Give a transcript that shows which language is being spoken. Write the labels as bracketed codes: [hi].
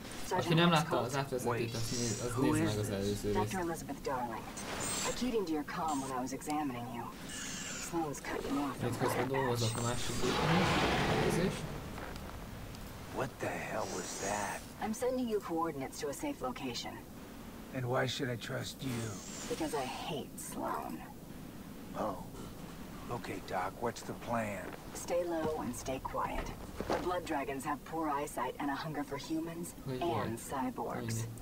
[hu] Aki nem látta az átvezetőt, az nézze meg az előző részt. [en] Dr. Elizabeth Darling. I keyed into your comm when I was examining you. Sloan's cut you off. [hu] Itt dolgozok a másik gépen. [en] What the hell was that? I'm sending you coordinates to a safe location. And why should I trust you? Because I hate Sloan. Oh. Okay, Doc, what's the plan? Stay low and stay quiet. The Blood Dragons have poor eyesight and a hunger for humans and cyborgs.